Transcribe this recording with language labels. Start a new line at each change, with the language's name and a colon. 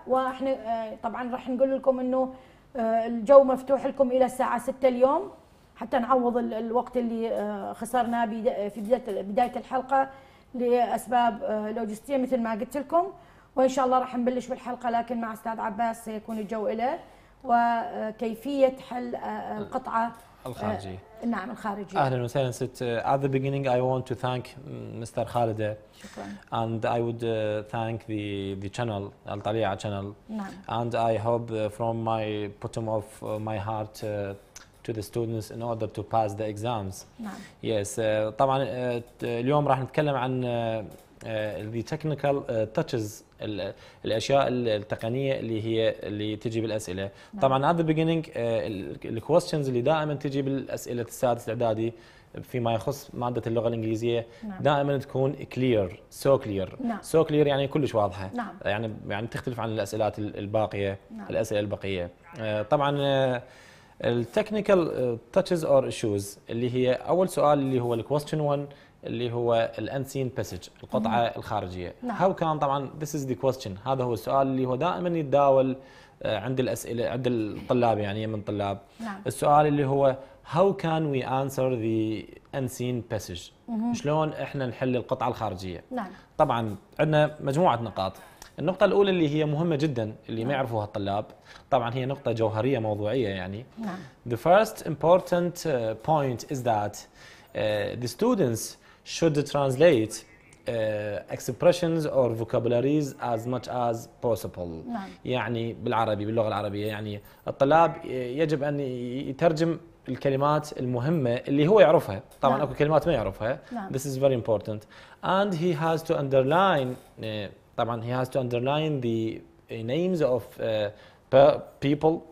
Arabic: وإحنا طبعا رح نقول لكم أنه الجو مفتوح لكم إلى الساعة 6 اليوم حتى نعوض الوقت اللي خسرناه في بداية الحلقة لأسباب لوجستية مثل ما قلت لكم. وإن شاء الله رح نبلش بالحلقة لكن مع أستاذ عباس سيكون الجو إله، وكيفية حل القطعة الخارجي. نعم الخارجي. أهلا وسهلا.
English: At the beginning I want to thank Mr. Khaled.
Arabic: شكرا.
English: And I would thank the channel الطليعة channel.
Arabic: نعم.
English: And I hope from my bottom of my heart to the students in order to pass the exams.
Arabic: نعم.
English: Yes.
Arabic: طبعا اليوم راح نتكلم عن
English: the technical touches
Arabic: الأشياء التقنية اللي هي اللي تجي بالأسئلة. نعم. طبعاً
English: at the beginning the questions
Arabic: اللي دائماً تجي بالأسئلة السادس الإعدادي فيما يخص مادة اللغة الإنجليزية. نعم. دائماً تكون
English: clear, so clear.
Arabic: نعم.
English: So clear
Arabic: يعني كلش واضحة. نعم. يعني تختلف عن الأسئلة الباقية. نعم. الأسئلة البقية طبعاً
English: technical touches or issues
Arabic: اللي هي أول سؤال اللي هو
English: question one
Arabic: اللي هو الـ
English: unseen passage
Arabic: القطعة الخارجية. نعم.
English: How can
Arabic: طبعا
English: this is the question،
Arabic: هذا هو السؤال اللي هو دائما يتداول عند الأسئلة عند الطلاب يعني من الطلاب. نعم. السؤال اللي هو
English: How can we answer the unseen passage،
Arabic: شلون احنا نحل القطعة الخارجية. نعم. طبعا عندنا مجموعة نقاط. النقطة الأولى اللي هي مهمة جدا اللي نعم. ما يعرفوها الطلاب طبعا هي نقطة جوهرية موضوعية يعني. نعم.
English: The first important point is that the students should translate expressions or vocabularies as much as possible.
Arabic: نعم. يعني بالعربي باللغة العربية يعني الطلاب يجب أن يترجم الكلمات المهمة اللي هو يعرفها. طبعا نعم. أكو كلمات ما يعرفها. نعم.
English: This is very important. And he has to underline
Arabic: طبعا
English: he has to underline the names of people.